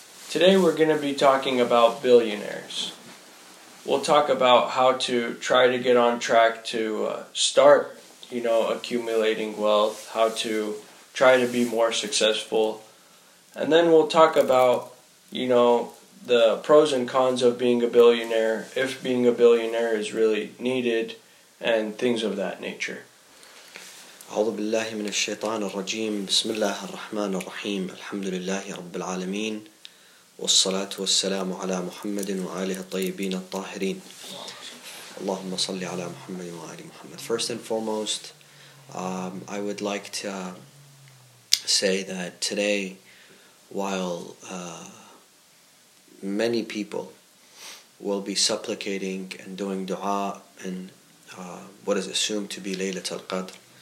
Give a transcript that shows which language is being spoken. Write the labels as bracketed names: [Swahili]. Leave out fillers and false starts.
[English] Today we're going to be talking about billionaires. We'll talk about how to try to get on track to start, you know, accumulating wealth, how to try to be more successful. And then we'll talk about, you know, the pros and cons of being a billionaire, if being a billionaire is really needed, and things of that nature. [Arabic] أعوذ بالله من الشيطان الرجيم بسم الله الرحمن الرحيم الحمد لله رب العالمين والصلاة والسلام على محمد وآله الطيبين الطاهرين اللهم صل على محمد وآل محمد. [English] First and foremost, I would like to say that today, while many people will be supplicating and doing dua in what is assumed to be Laylatul Qadr.